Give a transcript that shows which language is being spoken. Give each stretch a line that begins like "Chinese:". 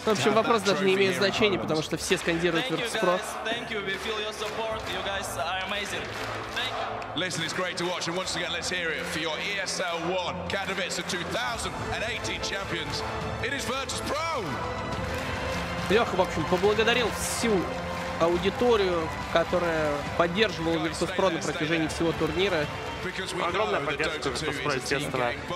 Russian: В общем, вопрос даже не имеет значения, потому что все скандируют Virtus.pro.
English: Thank you. We feel your support. You guys are amazing. Thank you. Listen, it's great to watch, and once again, let's hear it for your ESL One Katowice 2018 champions. It is Virtus.pro.
Russian: Лёха, в общем, поблагодарил всю аудиторию, которая поддерживала Virtus.pro на протяжении всего турнира. Огромная поддержка Virtus.pro, естественно.